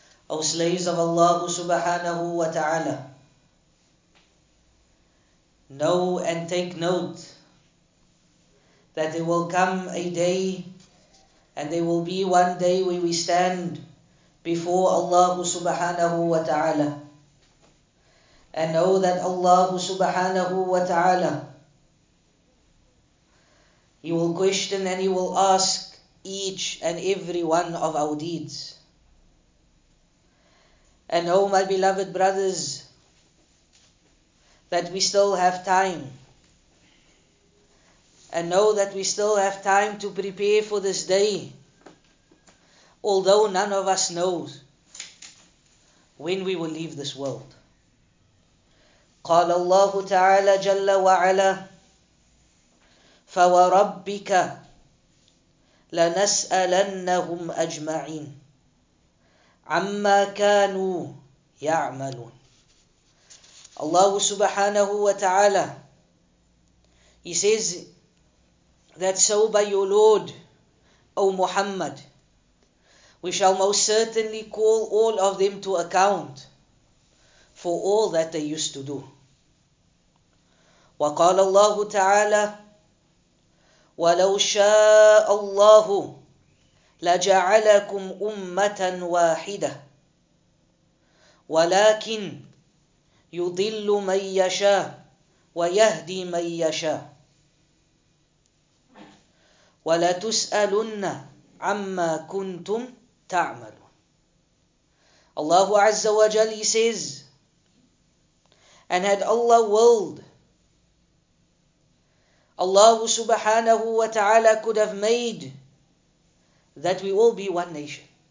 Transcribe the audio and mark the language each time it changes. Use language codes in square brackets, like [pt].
[en] أو slaves of Allah سبحانه وتعالى know and take note that there will come a day and there will be one day where we stand before Allah subhanahu wa ta'ala. And know that Allah subhanahu wa ta'ala, He will question and He will ask each and every one of our deeds. And know, my beloved brothers, that we still have time. And know that we still have time to prepare for this day, although none of us knows when we will leave this world. [ar] قال الله تعالى جل وعلا فوربك لنسألنهم أجمعين عما كانوا يعملون. [en] الله سبحانه وتعالى, He says that so by your Lord, O Muhammad, we shall most certainly call all of them to account for all that they used to do. [ar] وقال الله تعالى ولو شاء الله لجعلكم أمة واحدة ولكن يضل من يشاء ويهدي من يشاء ولا تسألن عما كنتم تعملون. [en] الله عز وجل says, and had Allah willed, Allah subhanahu wa ta'ala could have made that we all be one nation.